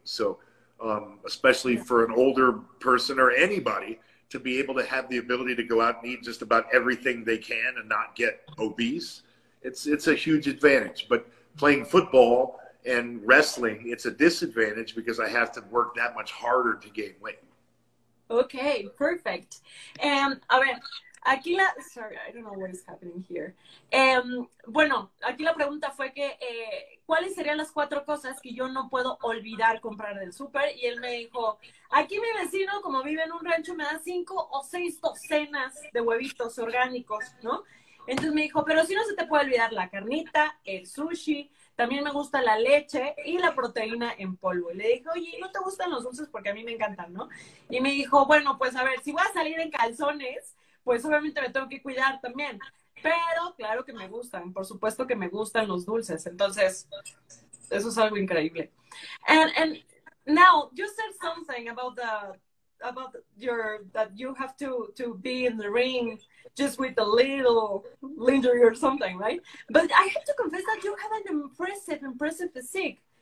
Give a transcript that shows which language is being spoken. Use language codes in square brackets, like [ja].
[en] So especially for an older person or anybody to be able to have the ability to go out and eat just about everything they can and not get obese. It's a huge advantage, but playing football and wrestling, it's a disadvantage because I have to work that much harder to gain weight. Okay, perfect. [es] A ver, aquí la... [en] Sorry, I don't know what is happening here. [es] Bueno, aquí la pregunta fue que, ¿cuáles serían las 4 cosas que yo no puedo olvidar comprar del súper? Y él me dijo, aquí mi vecino, como vive en un rancho, me da 5 o 6 docenas de huevitos orgánicos, ¿no? Entonces me dijo, pero si no se te puede olvidar la carnita, el sushi, también me gusta la leche y la proteína en polvo. Y le dije, oye, ¿no te gustan los dulces? Porque a mí me encantan, ¿no? Y me dijo, bueno, pues a ver, si voy a salir en calzones, pues obviamente me tengo que cuidar también. Pero claro que me gustan, por supuesto que me gustan los dulces. Entonces, eso es algo increíble. [en] And now, you said something about that you have to be in the ring just with a little injury or something, right? But I have to confess that you have an impressive physique.